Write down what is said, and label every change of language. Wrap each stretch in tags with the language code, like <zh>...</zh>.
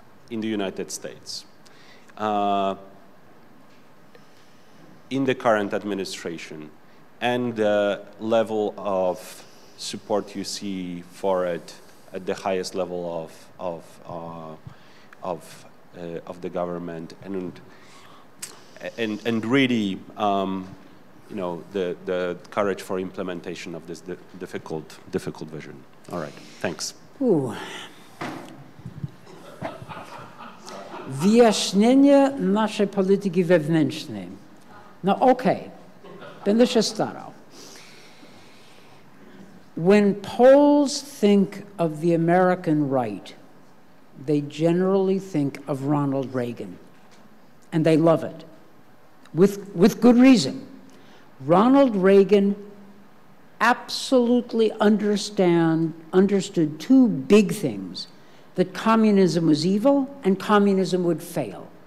<en>in the United States, in the current administration, and the level of support you see for it at the highest level of the government, and really, you know, the courage for implementation of this difficult vision. All right, thanks. Ooh.</en> <pl>Wyjaśnienie naszej polityki wewnętrznej. No okej, okay. Będę się starał.</pl> <en>When Poles think of the American right, they generally think of Ronald Reagan. And they love it. With good reason. Ronald Reagan absolutely understood two big things, that communism was evil and communism would fail.</en>